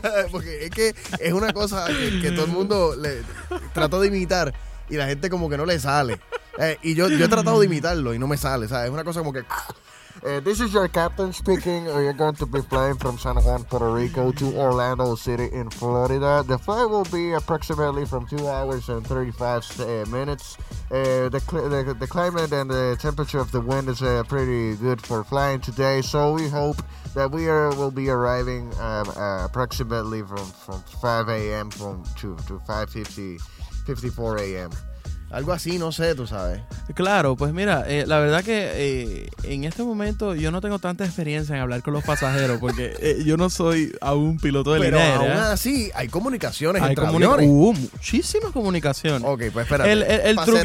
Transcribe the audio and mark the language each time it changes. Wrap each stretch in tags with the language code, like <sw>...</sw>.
<es>Porque es que es una cosa que todo el mundo trata de imitar y la gente como que no le sale. Y yo he tratado de imitarlo y no me sale, ¿sabes? Es una cosa como que...</es> <en>This is your captain speaking. You're going to be flying from San Juan, Puerto Rico to Orlando City in Florida. The flight will be approximately from 2 hours and 35 minutes. The climate and the temperature of the wind is pretty good for flying today. So we hope that will be arriving approximately from 5 a.m. to 5:54 a.m.</en> <es>Algo así, no sé, tú sabes. Claro, pues mira, la verdad que en este momento yo no tengo tanta experiencia en hablar con los pasajeros porque yo no soy aún piloto de línea. Pero aún así, hay comunicaciones entre aviones. Muchísimas comunicaciones. Ok, pues espérate. El para truquito...</es>